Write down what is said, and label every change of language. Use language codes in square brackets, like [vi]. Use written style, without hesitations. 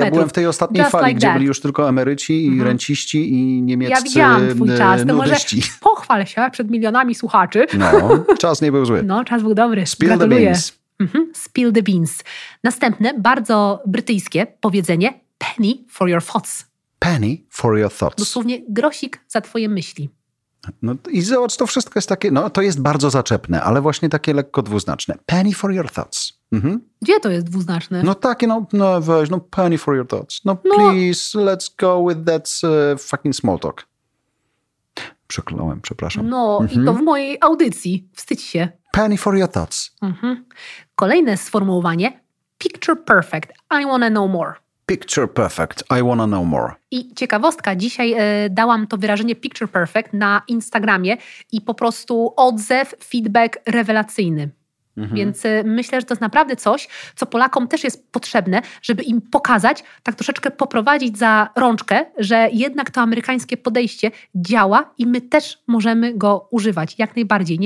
[pl] Ale ja byłem w tej ostatniej fali, gdzie byli już tylko emeryci i renciści i niemieccy nudyści. Ja widziałam twój czas, to może pochwal się przed milionami słuchaczy. No, czas nie był zły. No, czas był dobry. [en] Spill [pl] Gratuluję. [en] The beans. Spill the beans. [pl] Następne, bardzo brytyjskie powiedzenie. [en] Penny for your thoughts. Penny for your thoughts. [pl] Dosłownie grosik za twoje myśli. No i zobacz, to wszystko jest takie, no to jest bardzo zaczepne, ale właśnie takie lekko dwuznaczne. [en] Penny for your thoughts. [pl] Gdzie to jest dwuznaczne? No takie, no weź, no [en] penny for your thoughts. No please, let's go with that fucking small talk. [pl] Przekląłem, przepraszam. No i to w mojej audycji, wstydź się. [en] Penny for your thoughts. [pl] Kolejne sformułowanie. [en] Picture perfect, I wanna know more. Picture perfect. I wanna know more. [pl] I ciekawostka. Dzisiaj dałam to wyrażenie picture perfect na Instagramie i po prostu odzew, feedback rewelacyjny. Więc myślę, że to jest naprawdę coś, co Polakom też jest potrzebne, żeby im pokazać, tak troszeczkę poprowadzić za rączkę, że jednak to amerykańskie podejście działa i my też możemy go używać jak najbardziej.